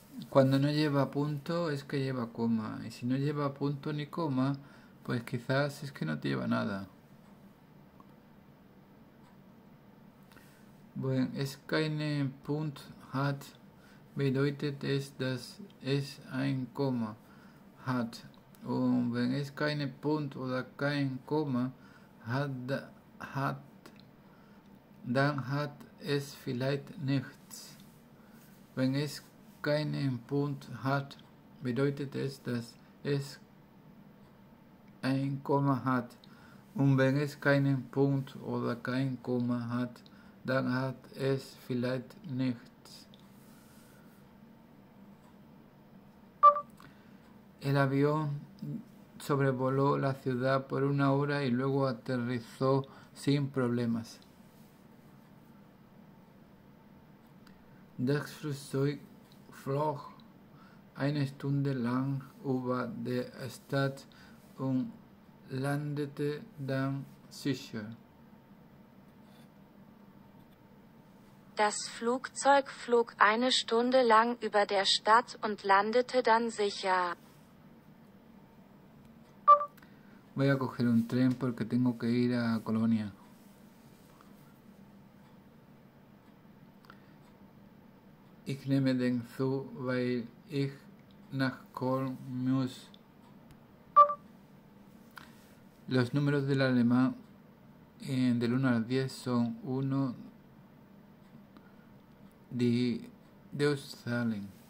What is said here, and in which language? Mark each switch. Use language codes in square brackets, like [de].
[es] Cuando no lleva punto es que lleva coma, y si no lleva punto ni coma, pues quizás es que no te lleva nada. [de] Bueno, es keine Punkt hat bedeutet es, dass es ein Komma hat. Und wenn es keine Punkt oder kein Komma hat, dann hat es vielleicht nichts. Wenn es keinen Punkt hat, bedeutet es, dass es ein Komma hat. Und wenn es keinen Punkt oder kein Komma hat, dann hat es vielleicht nichts. [es] El avión sobrevoló la ciudad por 1 hora y luego aterrizó sin problemas. [de] Das Flugzeug flog eine Stunde lang über der Stadt und landete dann sicher. Das Flugzeug flog eine Stunde lang über der Stadt und landete dann sicher. [es] Voy a coger un tren porque tengo que ir a Colonia. [de] Ich nehme den Zug, weil ich nach Köln muss. [es] Los números del alemán del 1 al 10 son 1, [de] die, Deutschzahlen.